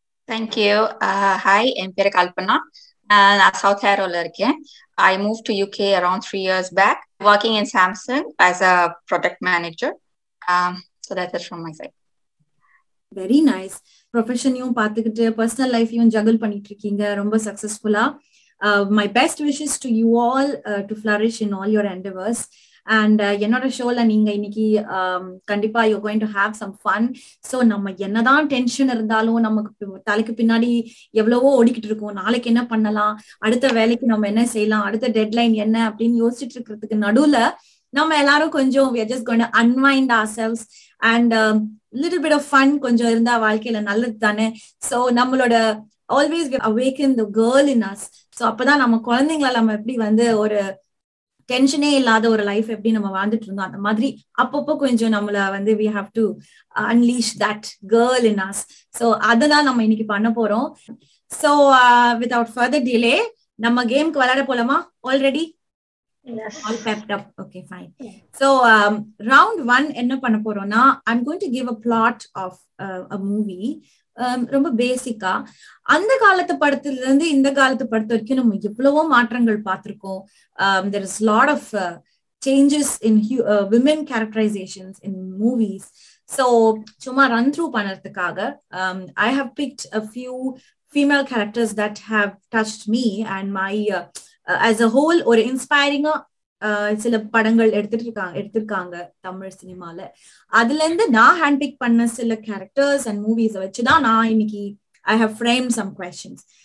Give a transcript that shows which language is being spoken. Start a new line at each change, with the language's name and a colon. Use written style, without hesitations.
English: Thank you. Hi,
Tamil: என் பேரு கல்பனா. நான் south ஏரோல இருக்கேன்.
English: I moved to UK around 3 years back, working in Samsung as a product manager. So that is from my side. Very nice.
Tamil: Profession யும் பாத்துக்கிட்டு
English: personal life
Tamil: யும் juggle பண்ணிட்டு இருக்கீங்க ரொம்ப சக்சஸ்ஃபுல்லா.
English: My best wishes to you all to flourish in all your endeavors. And
Tamil: என்னோட ஷோல நீங்க இன்னைக்கு கண்டிப்பா
English: you're going to have some fun.
Tamil: So நம்ம என்னதான் டென்ஷன் இருந்தாலும் நமக்கு தலைக்கு பின்னாடி எவ்வளவோ ஓடிக்கிட்டு இருக்கோம், நாளைக்கு என்ன பண்ணலாம், அடுத்த வேலைக்கு நம்ம என்ன செய்யலாம், அடுத்த டெட்லைன் என்ன அப்படின்னு யோசிச்சுட்டு இருக்கிறதுக்கு நடுவுல நம்ம எல்லாரும் கொஞ்சம்
English: we are just going to unwind ourselves and little bit of fun
Tamil: கொஞ்சம் இருந்தா வாழ்க்கையில நல்லது தானே.
English: So நம்மளோட always we awaken the girl in us.
Tamil: So அப்பதான் நம்ம குழந்தைங்களை நம்ம எப்படி வந்து ஒரு டென்ஷனே இல்லாத ஒரு லைஃப் எப்படி நம்ம வாழ்ந்துட்டு இருந்தோம் அந்த மாதிரி அப்பப்போ கொஞ்சம் நம்மள வந்து
English: we have to unleash that girl in us.
Tamil: So அதுதான் நம்ம இன்னைக்கு பண்ண போறோம்.
English: So without further delay
Tamil: நம்ம கேமுக்கு விளையாட போலாமா?
English: Already all pepped up. Okay, fine. So round 1
Tamil: என்ன பண்ண போறோம்னா
English: I'm going to give a plot of a movie.
Tamil: ரொம்ப பேசிக்கா அந்த காலத்து படத்துல இருந்து இந்த காலத்து படத்து வரைக்கும் நம்ம எவ்வளவோ மாற்றங்கள் பார்த்திருக்கோம்.
English: There is lot of changes in women characterizations in movies. So
Tamil: சும்மா run through பண்ணறதுக்காக
English: I have picked a few female characters that have touched me and my as a whole
Tamil: ஒரு இன்ஸ்பைரிங் சில படங்கள் எடுத்திருக்காங்க தமிழ் சினிமால. அதுல இருந்து நான் ஹேண்ட் பிக் பண்ண சில கேரக்டர்ஸ் அண்ட் மூவிஸ் வச்சுதான் நான் இன்னைக்கு
English: I have frame some questions.